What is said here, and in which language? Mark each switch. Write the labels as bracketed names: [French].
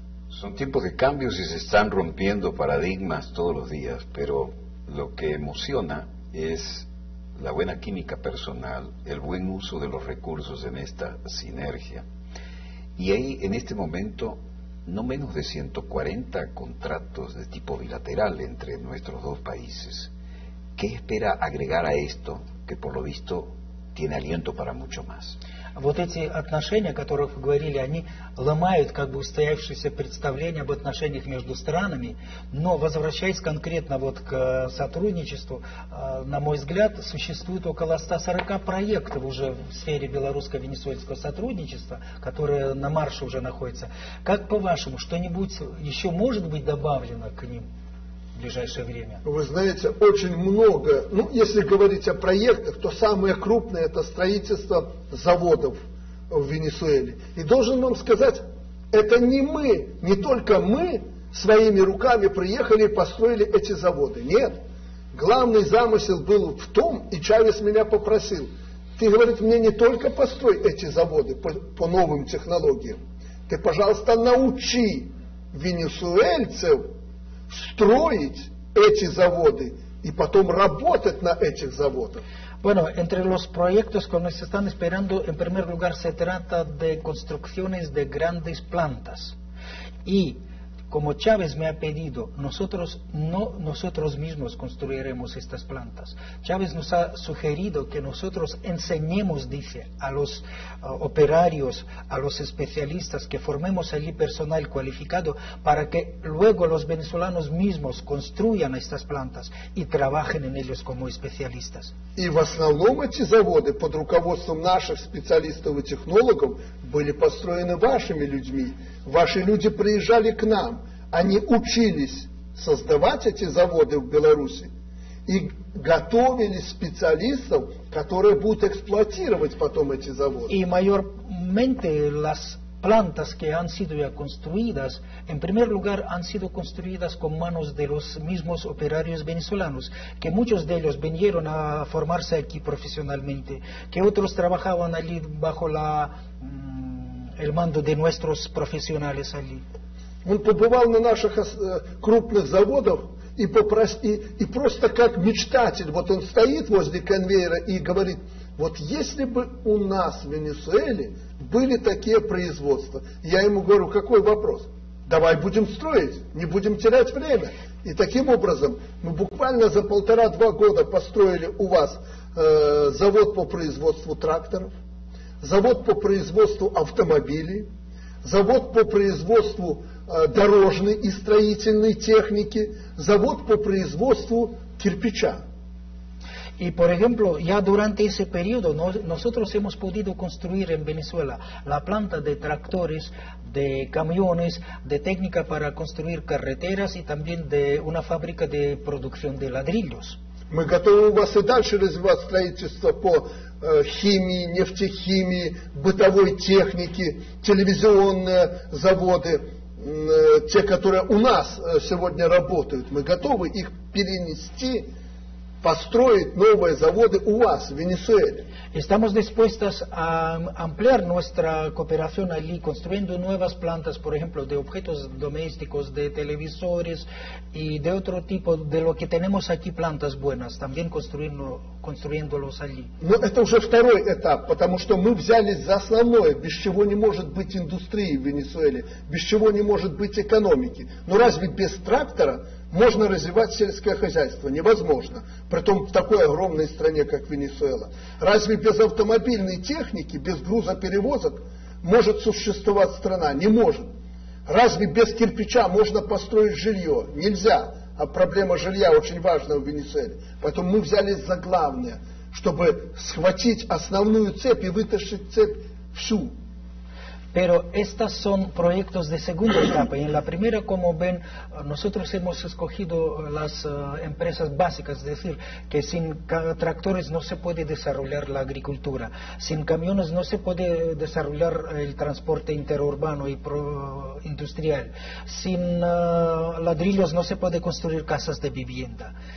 [Spanish] Son tiempos de cambios y se están rompiendo paradigmas todos los días, pero lo que emociona es la buena química personal, el buen uso de los recursos en esta sinergia. Y hay en este momento no menos de 140 contratos de tipo bilateral entre nuestros dos países. ¿Qué espera agregar a esto, que por lo visto tiene aliento para mucho más? [Russian] Вот эти отношения, о которых вы говорили, они ломают как бы устоявшиеся представления об отношениях между странами. Но, возвращаясь конкретно вот к сотрудничеству, на мой взгляд, существует около 140 проектов уже в сфере белорусско-венесуэльского сотрудничества, которые на марше уже находятся. Как по-вашему, что-нибудь еще может быть добавлено к ним в ближайшее время? Вы знаете, очень много. Ну, если говорить о проектах, то самое крупное – это строительство заводов в Венесуэле. И должен вам сказать, это не мы, не только мы своими руками приехали и построили эти заводы. Нет. Главный замысел был в том, и Чавес меня попросил. Ты, говорит, мне не только построй эти заводы по новым технологиям, ты, пожалуйста, научи венесуэльцев строить эти заводы и потом работать на этих заводах. [Spanish] Bueno, entre los proyectos que nos están esperando, en primer lugar se trata de construcciones de grandes plantas. Y como Chávez me ha pedido, nosotros mismos construiremos estas plantas. Chávez nos ha sugerido que nosotros enseñemos, dice, a los operarios, a los especialistas, que formemos allí personal cualificado para que luego los venezolanos mismos construyan estas plantas y trabajen en ellos como especialistas. Y [Russian] в основном эти заводы под руководством наших специалистов и технологов были построены вашими людьми. Ваши люди приезжали к нам, они учились создавать эти заводы в Беларуси и готовили специалистов, которые будут эксплуатировать потом эти заводы. И [Spanish] mayormente las plantas que han sido ya construidas, en primer lugar han sido construidas con manos de los mismos operarios venezolanos, que muchos de ellos vinieron a formarse aquí profesionalmente, que otros trabajaban allí bajo la el mando de nuestros profesionales allí. [Russian] Он побывал на наших крупных заводах и просто как мечтатель, вот он стоит возле конвейера и говорит: Вот если бы у нас в Венесуэле были такие производства, я ему говорю, какой вопрос? Давай будем строить, не будем терять время. И таким образом мы буквально за 1.5-2 года построили у вас завод по производству тракторов, завод по производству автомобилей, завод по производству дорожной и строительной техники, завод по производству кирпича. [Spanish] Y por ejemplo, ya durante ese periodo nosotros hemos podido construir en Venezuela la planta de tractores, de camiones, de técnica para construir carreteras y también de una fábrica de producción de ladrillos. [Russian] Мы готовы у вас и дальше развивать строительство по химии, нефтехимии, бытовой технике, телевизионные заводы, те, которые у нас сегодня работают. Мы готовы их перенести, построить новые заводы у вас, в Венесуэле. [Spanish] Estamos dispuestos a ampliar nuestra cooperación allí, construyendo nuevas plantas, por ejemplo, de objetos domésticos, de televisores y de otro tipo, de lo que tenemos aquí, plantas buenas, también construyéndolos allí. [Russian] Но это уже второй этап, потому что мы взялись за основное, без чего не может быть индустрии в Венесуэле, без чего не может быть экономики. Но разве без трактора можно развивать сельское хозяйство? Невозможно. Притом в такой огромной стране, как Венесуэла. Разве без автомобильной техники, без грузоперевозок может существовать страна? Не может. Разве без кирпича можно построить жилье? Нельзя. А проблема жилья очень важна в Венесуэле. Поэтому мы взялись за главное, чтобы схватить основную цепь и вытащить цепь всю. [Spanish] Pero estos son proyectos de segunda etapa. Y en la primera, como ven, nosotros hemos escogido las empresas básicas, es decir, que sin tractores no se puede desarrollar la agricultura, sin camiones no se puede desarrollar el transporte interurbano y industrial, sin ladrillos no se puede construir casas de vivienda.